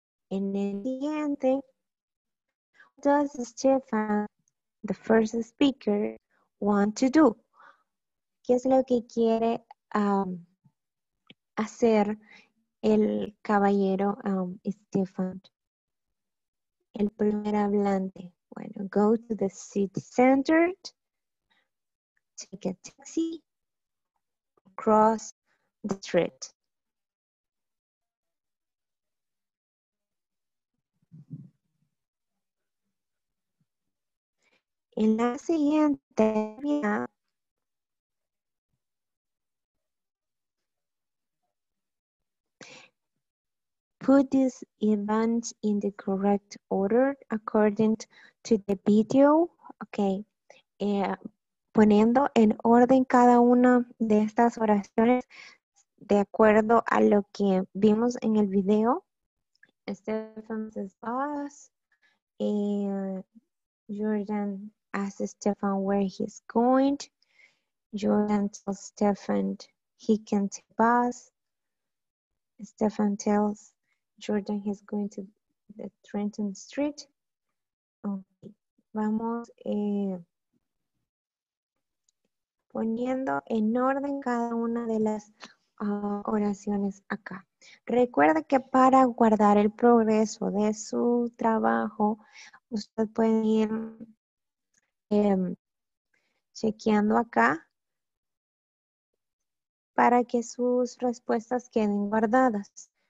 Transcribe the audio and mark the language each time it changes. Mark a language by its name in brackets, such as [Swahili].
[Spanish] En el siguiente, [English] does Stefan, the first speaker, want to do? [Spanish] ¿Qué es lo que quiere hacer el caballero Stefan, el primer hablante? [English] Bueno, go to the city center, take a taxi, cross the street. [Spanish] En la siguiente, [English] put these events in the correct order according to the video. Ok. [Spanish] Poniendo en orden cada una de estas oraciones de acuerdo a lo que vimos en el video. [English] Stefan says bus. Jordan asks Stefan where he's going. Jordan tells Stefan he can take bus. Stefan tells Jordan is going to the Trenton Street. Okay. [Spanish] Vamos poniendo en orden cada una de las oraciones acá. Recuerda que para guardar el progreso de su trabajo, usted puede ir chequeando acá para que sus respuestas queden guardadas.